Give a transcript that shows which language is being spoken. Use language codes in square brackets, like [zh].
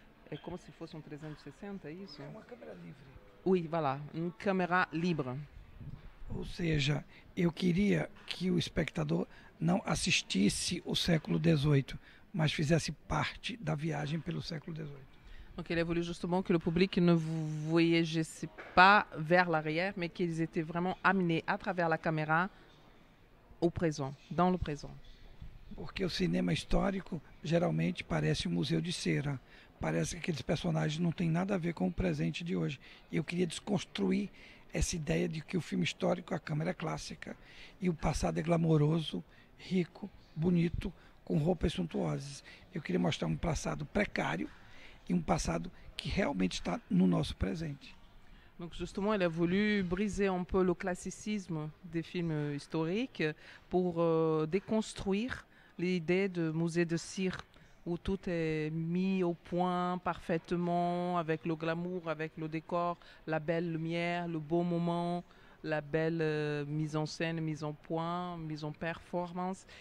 [fr] Et comme si fosse un 360, c'est ça? Une caméra libre. Oui, voilà, une caméra libre. [pt] Ou seja, eu queria que o espectador não assistisse o século XVIII, mas fizesse parte da viagem pelo século XVIII. [fr] Donc il a voulu justement que le public ne voyageait pas vers l'arrière, mais qu'ils étaient vraiment amenés à travers la caméra au présent, dans le présent. [pt] Porque o cinema histórico geralmente parece um museu de cera. Parece que aqueles personagens não têm nada a ver com o presente de hoje. Eu queria desconstruir essa ideia de que o filme histórico, a câmera é clássica e o passado é glamouroso, rico, bonito, com roupas suntuosas. Eu queria mostrar um passado precário e um passado que realmente está no nosso presente. [fr] Donc justement, elle a voulu briser un peu le classicisme des films historiques pour déconstruire l'idée de musée de cire où tout est mis au point parfaitement avec le glamour, avec le décor, la belle lumière, le beau moment, la belle mise en scène, mise en point, mise en performance.